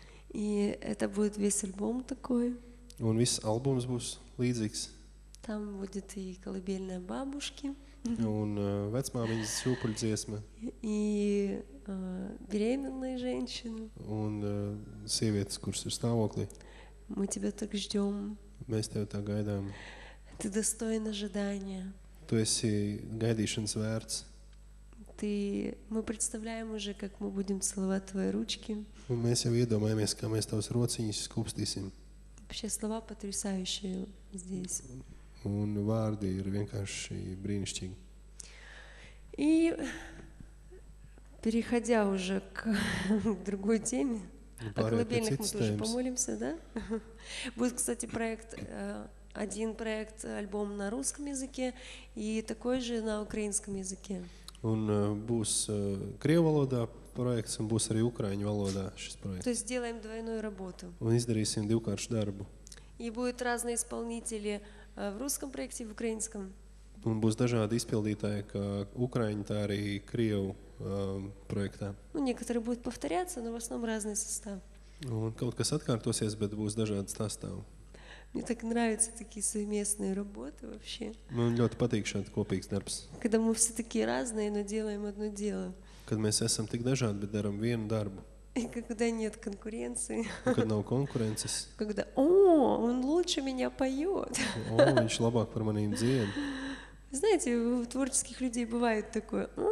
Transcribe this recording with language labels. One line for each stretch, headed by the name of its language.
Russian: И это будет весь альбом такой. Он весь альбом будет лидзикс. Там будет и колыбельная бабушки.
Latvian: Un vecmāmiņas šūpuļu dziesma.
Russian: I беременные женщины.
Latvian: Un sievietes, kuras ir stāvoklī.
Russian: Мы тебя так ждём.
Latvian: Mēs tevi tā gaidām.
Russian: Ты достоин ожидания.
Latvian: Tu esi gaidīšanas vērts.
Russian: Ты мы представляем уже, как мы будем целовать твои ручки.
Latvian: Un mēs jau iedomājamies, kā mēs tavas rociņas skupstīsim.
Russian: Вообще слова потрясающие здесь.
Latvian: Un vārdi ir vienkārši brīnišķīgi.
Russian: И переходя уже к другой теме, о колыбельных мы тоже помолимся, да? Будет, кстати, проект, один проект, альбом на русском языке и такой же на украинском языке.
Latvian: Un būs krievu valodā projekts un būs arī ukraiņu valodā šis projekts.
Russian: То есть сделаем двойную работу.
Latvian: Un izdarīsim divkārši darbu.
Russian: И будут разные исполнители в русском проекте, в украинском.
Latvian: Un būs dažādi izpildītāji, kā ukraiņi, tā arī krievu projektā.
Russian: Ну, некоторые будут повторяться, но в основном разный состав.
Latvian: Un kaut kas atkārtosies, bet būs dažādi sastāvi.
Russian: Мне так нравятся такие совместные работы вообще.
Latvian: Man ļoti patīk šāds kopīgs darbs.
Russian: Когда мы все такие разные, но делаем одно дело.
Latvian: Kad mēs esam tik dažādi, bet darām vienu darbu.
Russian: И когда нет конкуренции.
Latvian: Kad nav konkurences.
Russian: Когда, о, он лучше меня поёт.
Latvian: О, viņš labāk par mani dzied.
Russian: Знаете, у творческих людей бывает такое.